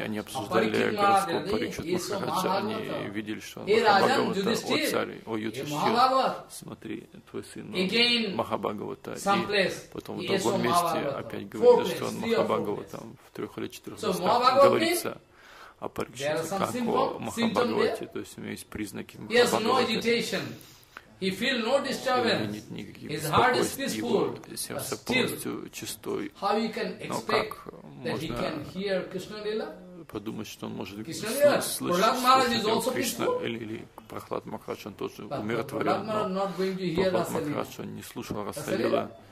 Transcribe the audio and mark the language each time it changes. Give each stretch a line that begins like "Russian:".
Russian: они обсуждали гороскоп Парикшит Махараджа, они видели, что он Махабхагавата, о царь, о Юдхиштхир, смотри, твой сын, он Махабхагавата, и потом в другом месте опять говорили, что он Махабхагавата, в трех или четырех местах говорится о Парикшит, как о Махабхагавате, то есть у него есть признаки Махабхагавата.
English: He feels no disturbance. His heart is peaceful. But still, how you can expect that he can hear Krishna Lila?
Russian: Подумать, что он может слышать Прахлад Махараджа, или Прахлад Махарадж, он тоже умиротворен, но Прахлад Махарадж, он не слушал Расалилу.